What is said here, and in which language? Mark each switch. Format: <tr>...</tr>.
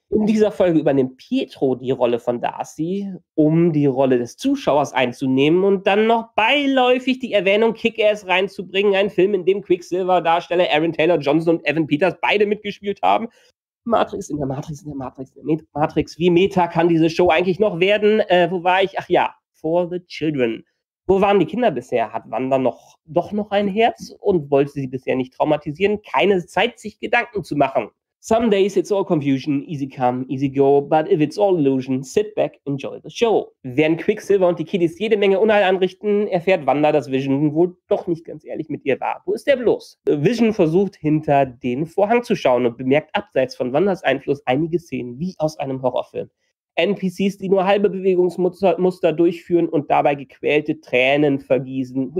<de>In dieser Folge übernimmt Pietro die Rolle von Darcy, um die Rolle des Zuschauers einzunehmen und dann noch beiläufig die Erwähnung Kick-Ass reinzubringen, ein Film, in dem Quicksilver-Darsteller Aaron Taylor-Johnson und Evan Peters beide mitgespielt haben. Matrix, wie Meta kann diese Show eigentlich noch werden? Wo war ich? Ach ja, For the Children. Wo waren die Kinder bisher? Hat Wanda doch noch ein Herz und wollte sie bisher nicht traumatisieren? Keine Zeit, sich Gedanken zu machen.</de> <en>Some days it's all confusion, easy come, easy go, but if it's all illusion, sit back, enjoy the show.</en> <de>Während Quicksilver und die Kiddies jede Menge Unheil anrichten, erfährt Wanda, dass Vision wohl doch nicht ganz ehrlich mit ihr war. Wo ist der bloß? Vision versucht, hinter den Vorhang zu schauen und bemerkt abseits von Wandas Einfluss einige Szenen wie aus einem Horrorfilm. NPCs, die nur halbe Bewegungsmuster durchführen und dabei gequälte Tränen vergießen.</de>